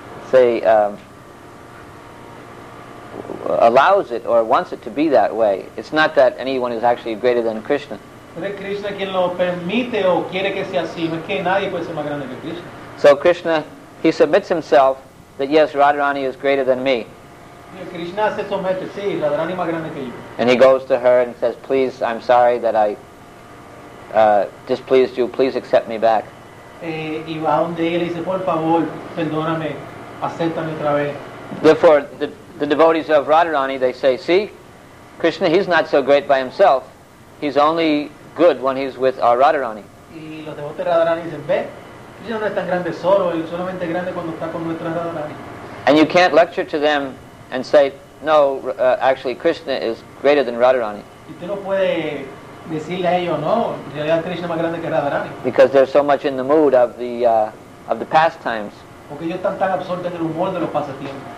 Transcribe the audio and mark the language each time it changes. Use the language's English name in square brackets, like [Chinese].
[English] allows it or wants it to be that way. It's not that anyone is actually greater than Krishna. So Krishna, he submits himself that yes, Radharani is greater than me. [Spanish] Krishna se somete, sí, la gran y más grande que yo. [English] And he goes to her and says, please, I'm sorry that I displeased you, please accept me back. [Spanish] Y va donde ella dice, por favor, perdóname, acéptame otra vez. [English] Therefore, the devotees of Radharani, they say, see, Krishna, he's not so great by himself. He's only good when he's with our Radharani. [Spanish] Y los devotos de Radharani dicen, ve, Krishna no es tan grande solo, él solamente es grande cuando está con nuestra Radharani. [English] And you can't lecture to them and say, no, actually, Krishna is greater than Radharani. [Spanish] Y tú no puedes decirle a ellos, no, en realidad Krishna es más grande que Radharani. [English] Because they're so much in the mood of the pastimes. [Spanish] Porque ellos están tan absortos en el humor de los pasatiempos.